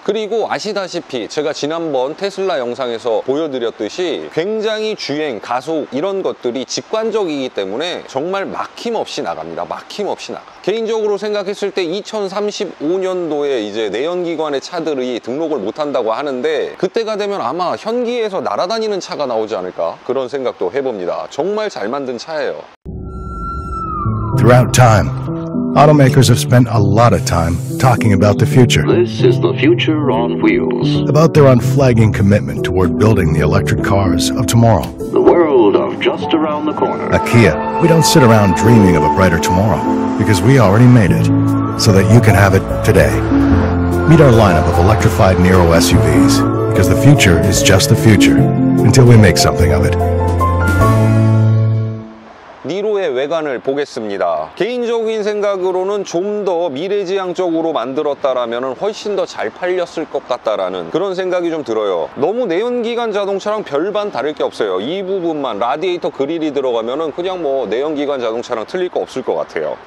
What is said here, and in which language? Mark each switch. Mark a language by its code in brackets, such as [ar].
[ko] 그리고 아시다시피 제가 지난번 테슬라 영상에서 보여드렸듯이 굉장히 주행, 가속 이런 것들이 직관적이기 때문에 정말 막힘없이 나갑니다. 막힘없이 나가. 개인적으로 생각했을 때 2035년도에 이제 내연기관의 차들이 등록을 못한다고 하는데 그때가 되면 아마 현기에서 날아다니는 차가 나오지 않을까 그런 생각도 해봅니다. 정말 잘 만든 차예요. [en] Throughout time, automakers have spent a lot of time talking about the future. This is the future on wheels. About their unflagging commitment toward building the electric cars of tomorrow. The world of just around the corner. At Kia, we don't sit around dreaming of a brighter tomorrow, because we already made it, so that you can have it today. Meet our lineup of electrified Niro SUVs, because the future is just the future, until we make something of it. [ko] 니로의 외관을 보겠습니다. 개인적인 생각으로는 좀 더 미래지향적으로 만들었다라면 훨씬 더 잘 팔렸을 것 같다라는 그런 생각이 좀 들어요. 너무 내연기관 자동차랑 별반 다를 게 없어요. 이 부분만 라디에이터 그릴이 들어가면 그냥 뭐 내연기관 자동차랑 틀릴 거 없을 것 같아요.